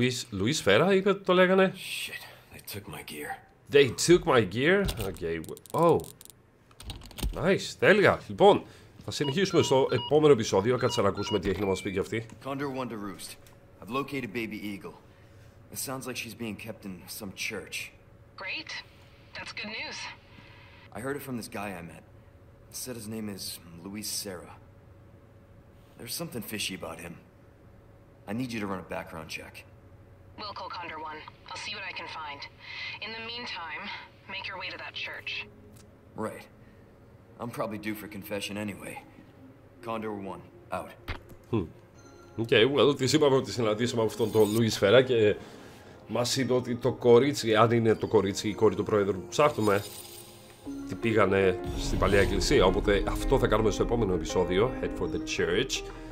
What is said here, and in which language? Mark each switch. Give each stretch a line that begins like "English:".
Greek: Λουίς Φέρα, είπε, το λέγανε.
English: Shit. Took my gear. They took my gear. Okay. Oh. Nice.
Greek: Τέλεια. Λοιπόν, θα συνεχίσουμε στο επόμενο επεισόδιο. Κάτσε να ακούσουμε τι έχει να μας πει και αυτή.
English: Condor One to Roost. I've located Baby Eagle. It sounds like she's being kept in some church. Great. That's good news. I heard it from this guy I met. He said his name is Luis Serra. There's something fishy about him. I need you to run a background check. We'll call Condor One. I'll see what I can find. In the meantime, make your way to that church. Right. I'm probably due for confession anyway. Condor One, out.
Greek: Okay, well, της είπαμε ότι συναντήσαμε αυτόν τον Λουίς Φέρα και μας είπε ότι το κορίτσι, αν είναι το κορίτσι ή η κόρη του πρόεδρου που ψάχνουμε, τι πήγανε στην παλιά εκκλησία. Οπότε αυτό θα κάνουμε στο επόμενο επεισόδιο,
English: Head for the Church.